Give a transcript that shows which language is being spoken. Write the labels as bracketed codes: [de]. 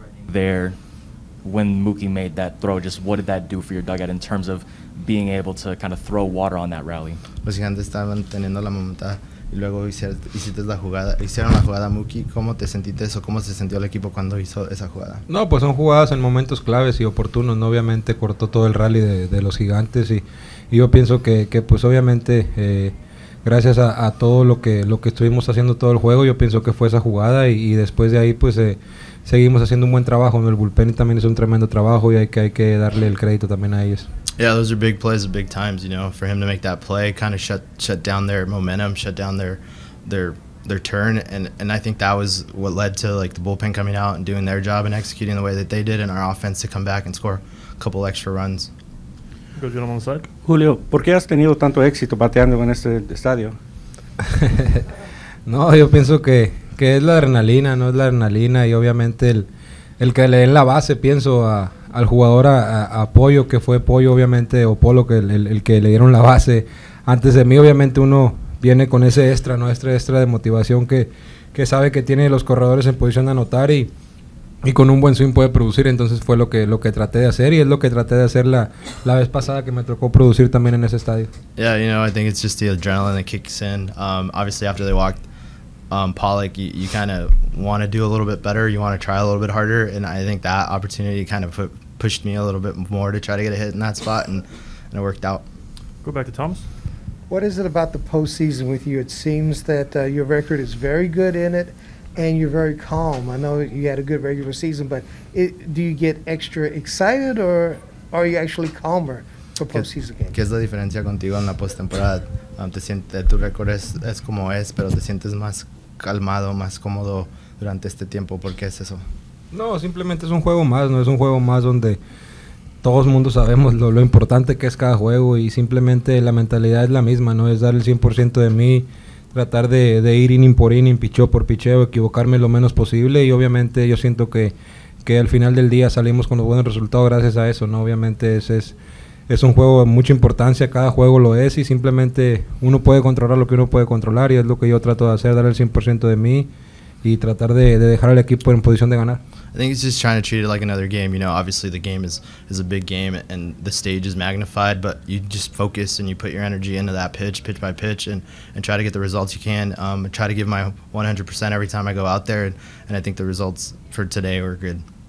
[en] There, when Mookie made that throw, just what did that do for your dugout in terms of being able to kind of throw water on that rally? [es] Los Gigantes estaban teniendo la momentada y luego hicieron la jugada. Mookie, ¿cómo te sentiste eso? ¿Cómo se sintió el equipo cuando hizo esa jugada? No, pues son jugadas en momentos claves y oportunos, ¿no? Obviamente cortó todo el rally de los Gigantes y yo pienso que pues obviamente gracias a todo lo que estuvimos haciendo todo el juego, yo pienso que fue esa jugada y después de ahí pues seguimos haciendo un buen trabajo en el bullpen y también es un tremendo trabajo y hay que darle el crédito también a ellos. [en] Yeah, those are big plays, big times, you know, for him to make that play kind of shut down their momentum, shut down their turn, and I think that was what led to like the bullpen coming out and doing their job and executing the way that they did and our offense to come back and score a couple extra runs. Go get him on the side. [es] Julio, ¿por qué has tenido tanto éxito bateando en este estadio? No, yo pienso que es la adrenalina, no es la adrenalina y obviamente el que le den la base, pienso al jugador a Pollo, que fue Pollo obviamente, o Polo, que el que le dieron la base antes de mí, obviamente uno viene con ese extra, ¿no? Extra de motivación que sabe que tiene los corredores en posición de anotar y con un buen swing puede producir, entonces fue lo que traté de hacer y es lo que traté de hacer la vez pasada que me tocó producir también en ese estadio. [en] Yeah, you know, I think it's just the adrenaline that kicks in. Obviously after they walked Pollock, you kind of want to do a little bit better, you want to try a little bit harder, and I think that opportunity kind of pushed me a little bit more to try to get a hit in that spot, and it worked out. Go back to Thomas. What is it about the postseason with you? It seems that your record is very good in it, and you're very calm. I know you had a good regular season, but do you get extra excited, or are you actually calmer [es] ¿Qué es la diferencia contigo en la postemporada? Te sientes, tu récord es como es, pero te sientes más calmado, más cómodo durante este tiempo. ¿Por qué es eso? No, simplemente es un juego más, ¿no? Es un juego más donde todos mundo sabemos lo importante que es cada juego y simplemente la mentalidad es la misma, ¿no? Es dar el 100% de mí, tratar de ir inning por inning, picheo por picheo, equivocarme lo menos posible y obviamente yo siento que al final del día salimos con los buenos resultados gracias a eso, ¿no? Obviamente es un juego de mucha importancia, cada juego lo es y simplemente uno puede controlar lo que uno puede controlar y es lo que yo trato de hacer, dar el 100% de mí y tratar de dejar al equipo en posición de ganar. [en] I think it's just trying to treat it like another game. You know, obviously the game is a big game and the stage is magnified, but you just focus and you put your energy into that pitch by pitch and try to get the results you can. Try to give my 100% every time I go out there, and I think the results for today were good.